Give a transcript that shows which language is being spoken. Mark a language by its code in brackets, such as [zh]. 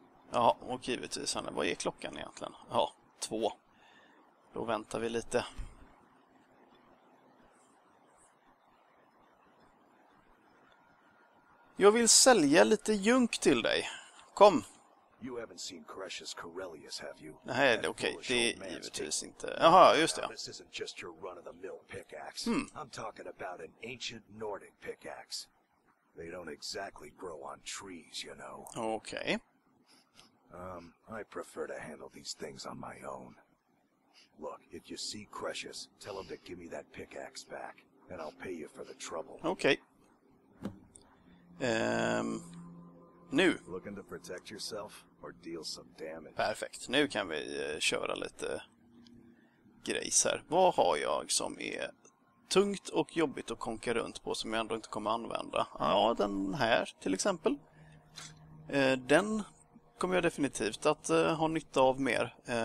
[sv] Ja, och givetvis, vad är klockan egentligen? Ja, 2. Då väntar vi lite. Jag vill sälja lite junk till dig. Kom. [en] You haven't seen Koresh's Corellius, have you? [sv] Nej, det är okej. Det är givetvis inte. Jaha, just det. [en] This isn't just your run-of-the-mill pickaxe. I'm talking about an ancient Nordic pickaxe. They don't exactly grow on trees, you know. [sv] Okej. [en] I prefer to handle these things on my own. Look, if you see Crecious, tell him to give me that pickaxe back, and I'll pay you for the trouble. [sv] Okej. Nu. [en] Looking to protect yourself or deal some damage. [sv] Perfekt. Nu kan vi köra lite grejs här. Vad har jag som är tungt och jobbigt att konka runt på som jag ändå inte kommer använda? Ja, den här till exempel. Den kommer jag definitivt att ha nytta av mer.